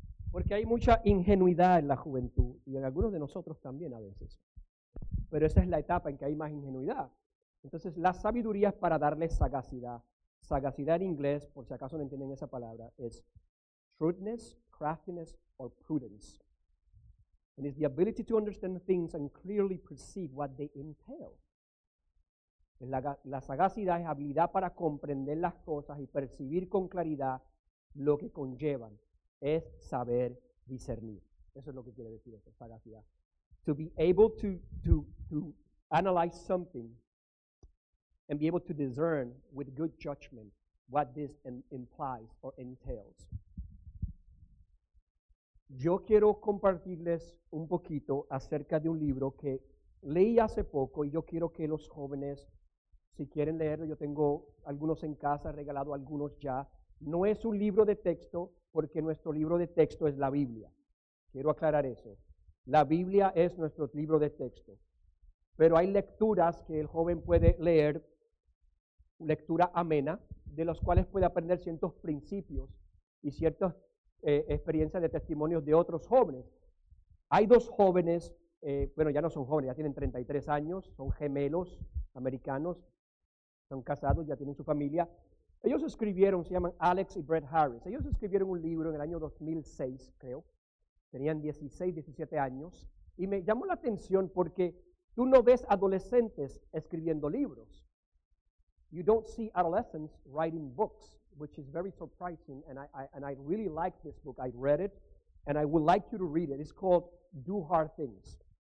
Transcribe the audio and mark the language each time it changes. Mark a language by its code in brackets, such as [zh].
[es] Porque hay mucha ingenuidad en la juventud, y en algunos de nosotros también a veces. Pero esa es la etapa en que hay más ingenuidad. Entonces, la sabiduría es para darle sagacidad. Sagacidad en inglés, por si acaso no entienden esa palabra, es [en] shrewdness, craftiness, or prudence. And it's the ability to understand things and clearly perceive what they entail. [es] La sagacidad es habilidad para comprender las cosas y percibir con claridad lo que conllevan. Es saber discernir. Eso es lo que quiere decir esto, sagacidad. [en] To be able to analyze something and be able to discern with good judgment what this implies or entails. [es] Yo quiero compartirles un poquito acerca de un libro que leí hace poco, y yo quiero que los jóvenes, si quieren leerlo, yo tengo algunos en casa, regalado algunos ya. No es un libro de texto, porque nuestro libro de texto es la Biblia. Quiero aclarar eso. La Biblia es nuestro libro de texto. Pero hay lecturas que el joven puede leer, lectura amena, de las cuales puede aprender ciertos principios y ciertas experiencias de testimonios de otros jóvenes. Hay dos jóvenes, ya no son jóvenes, ya tienen 33 años, son gemelos americanos, son casados, ya tienen su familia. Ellos escribieron, se llaman Alex y Brett Harris. Ellos escribieron un libro en el año 2006, creo. Tenían 16, 17 años. Y me llamó la atención porque tú no ves adolescentes escribiendo libros. [en] You don't see adolescents writing books, which is very surprising. And I really like this book. I read it, and I would like you to read it. It's called Do Hard Things.